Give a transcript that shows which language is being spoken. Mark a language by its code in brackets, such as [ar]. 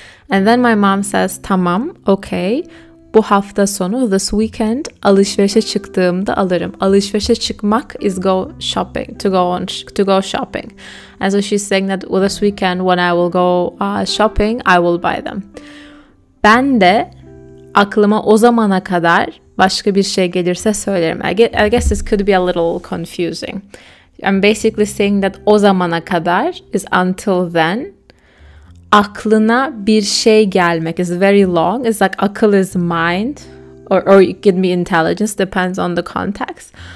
[en] And then my mom says, tamam, okay. [tr] Bu hafta sonu, [en] this weekend, [tr] alışverişe çıktığımda alırım. Alışverişe çıkmak [en] is go shopping, to go shopping. And so she's saying that, well, this weekend when I will go shopping, I will buy them. [tr] Ben de aklıma o zamana kadar başka bir şey gelirse söylerim. [en] I guess this could be a little confusing. I'm basically saying that [tr] o zamana kadar [en] is until then. [tr] Aklına bir şey gelmek [en] is very long. It's like akıl is mind or it can be intelligence, depends on the context.